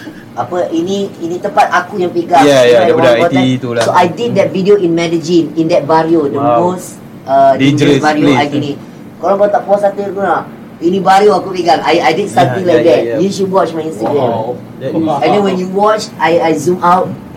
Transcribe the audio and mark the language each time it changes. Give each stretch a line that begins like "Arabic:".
Malay: apa ini tempat aku yang pegang. Yeah, budak IT tu lah.
English: So I did that video in Medellin, in that barrio, the most dangerous barrio place, I did it.
Malay: Kalau kau tak puas hati aku nak, ini baru aku pegang.
English: I did something like that. You should watch my Instagram. Wow. And then when you watch, I zoom out.